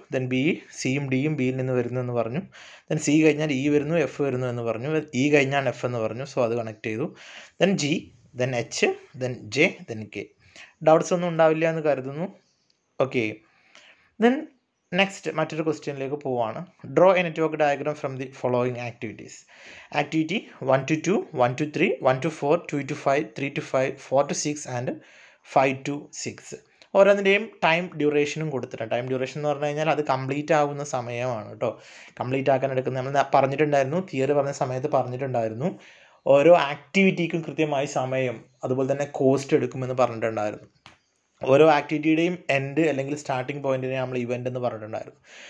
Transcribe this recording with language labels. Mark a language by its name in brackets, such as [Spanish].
[Malayalam] Then B സിയും ഡിയും ബിയിൽ നിന്ന് വരുന്നു എന്ന് പറഞ്ഞു. ദെൻ സി കഴിഞ്ഞാൽ ഇ വരുന്നു, എഫ് വരുന്നു എന്ന് പറഞ്ഞു. ഇ കഴിഞ്ഞാൽ എഫ് എന്ന് പറഞ്ഞു. സോ അത് കണക്ട് ചെയ്തു. Then G, then H, then J, then K. Doubts ഒന്നും ഉണ്ടാവില്ല എന്ന് കരുതുന്നു. ഓക്കെ, ദെൻ നെക്സ്റ്റ് മറ്റൊരു ക്വസ്റ്റ്യനിലേക്ക് പോവാണ്. [English] Draw a network diagram from the following activities. Activity 1 to 2, 1 to 3, 1 to 4, 2 to 5, 3 to 5, 4 to 6 and 5 to 6. [Malayalam] ഓരോന്നിൻ്റെയും ടൈം ഡ്യൂറേഷനും കൊടുത്തിട്ടുണ്ട്. ടൈം ഡ്യൂറേഷൻ എന്ന് പറഞ്ഞു കഴിഞ്ഞാൽ അത് കംപ്ലീറ്റ് ആകുന്ന സമയമാണ് കേട്ടോ. കംപ്ലീറ്റ് ആക്കാൻ എടുക്കുന്ന, നമ്മൾ പറഞ്ഞിട്ടുണ്ടായിരുന്നു, തിയറി പറഞ്ഞ സമയത്ത് പറഞ്ഞിട്ടുണ്ടായിരുന്നു, ഓരോ ആക്ടിവിറ്റിക്കും കൃത്യമായി സമയം അതുപോലെ തന്നെ കോസ്റ്റ് എടുക്കുമെന്ന് പറഞ്ഞിട്ടുണ്ടായിരുന്നു. ഓരോ ആക്ടിവിറ്റിയുടെയും എൻഡ് അല്ലെങ്കിൽ സ്റ്റാർട്ടിംഗ് പോയിന്റിനെ നമ്മൾ ഇവൻ്റ് എന്ന് പറഞ്ഞിട്ടുണ്ടായിരുന്നു.